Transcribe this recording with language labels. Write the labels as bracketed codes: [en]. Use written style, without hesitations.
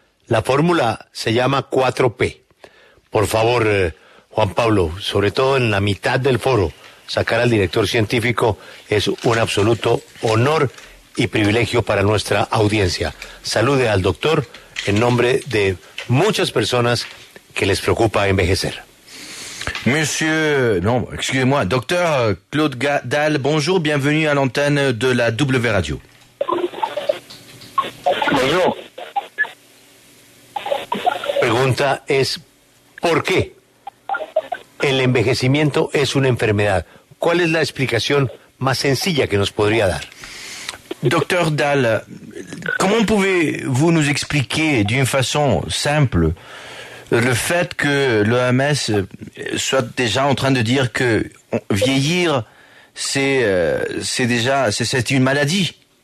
[es] La fórmula se llama 4P. Por favor, Juan Pablo, sobre todo en la mitad del foro, sacar al director científico es un absoluto honor y privilegio para nuestra audiencia. Salude al doctor en nombre de muchas personas que les preocupa envejecer. [fr] Monsieur, non, excusez-moi, docteur Claude Dall, bonjour, bienvenue à l'antenne de la W Radio. Bonjour. [es] Pregunta es, ¿por qué el envejecimiento es una enfermedad? ¿Cuál es la explicación más sencilla que nos podría dar? [fr] Docteur Dall, comment pouvez-vous nous expliquer d'une façon simple le fait que l'OMS soit déjà en train de dire que vieillir, c'est une maladie?